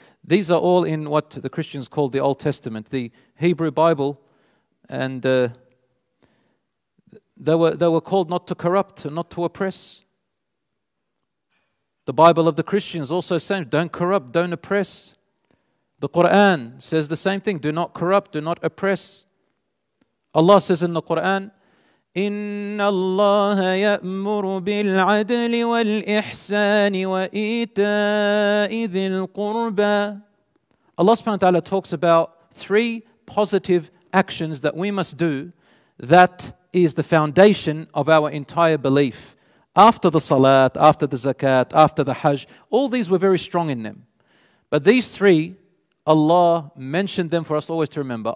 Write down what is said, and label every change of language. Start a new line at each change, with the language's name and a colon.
English: These are all in what the Christians call the Old Testament, the Hebrew Bible, and they were called not to corrupt and not to oppress. The Bible of the Christians also says, don't corrupt, don't oppress. The Quran says the same thing, do not corrupt, do not oppress. Allah says in the Quran,
Arabic: إِنَّ اللَّهَ يَأْمُرُ بِالْعَدْلِ وَالْإِحْسَانِ وَإِيتَاءِ ذِي الْقُرْبَى.
English: Allah subhanahu wa ta'ala talks about three positive actions that we must do that is the foundation of our entire belief. After the salat, after the zakat, after the hajj, all these were very strong in them. But these three, Allah mentioned them for us always to remember.